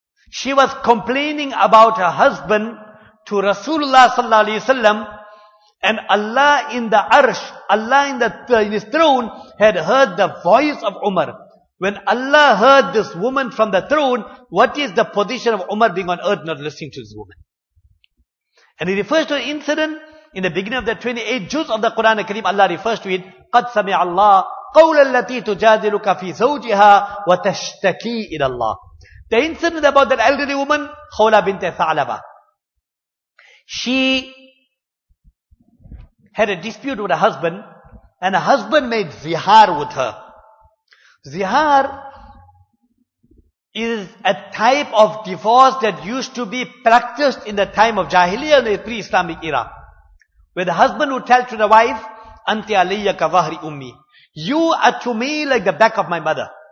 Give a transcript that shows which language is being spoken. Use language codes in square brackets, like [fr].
[en] She was complaining about her husband to Rasulullah sallallahu alaihi wasallam, and Allah in the arsh, Allah in his throne had heard the voice of Umar. When Allah heard this woman from the throne, what is the position of Umar being on earth not listening to this woman? And he refers to an incident in the beginning of the 28 juz of the Quran al-Kareem. Allah refers to it, [ar] قَدْ سَمِعَ اللَّهُ قَوْلَ الَّتِي تُجَادِلُكَ فِي زَوْجِهَا وَتَشْتَكِي إِلَى اللَّهِ. [en] The incident about that elderly woman, Khawla bint Thalaba. She had a dispute with her husband, and her husband made zihar with her. Zihar is a type of divorce that used to be practiced in the time of Jahiliyyah in the pre-Islamic era, where the husband would tell to the wife, [ar] "Anti aliyya ka wahri ummi," [en] you are to me like the back of my mother.